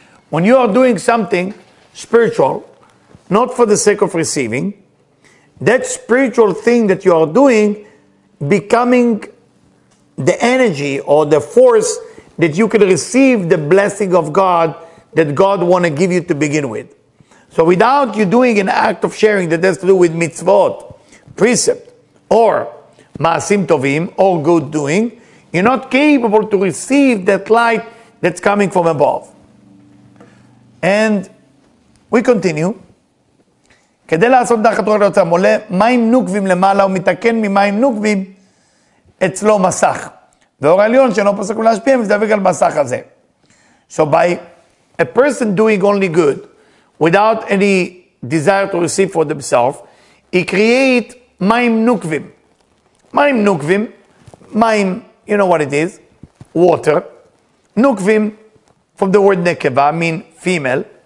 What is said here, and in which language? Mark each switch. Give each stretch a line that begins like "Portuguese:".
English: When you are doing something spiritual, not for the sake of receiving, that spiritual thing that you are doing becoming the energy or the force that you can receive the blessing of God that God want to give you to begin with. So without you doing an act of sharing that has to do with mitzvot, precept, or ma'asim tovim, or good doing, you're not capable to receive that light that's coming from above. And we continue.
Hebrew: כדי לעשות דחת רוח ליוצרם, עולה מים נוקבים למעלה, ומתקן ממים נוקבים אצלו מסך. ואור העליון שאינו פוסק להשפיע, מזדווק על מסך הזה.
English: So by a person doing only good, without any desire to receive for themselves, he create maim nukvim. Maim nukvim, maim, you know what it is, water. Nukvim, from the word nekeva, mean female.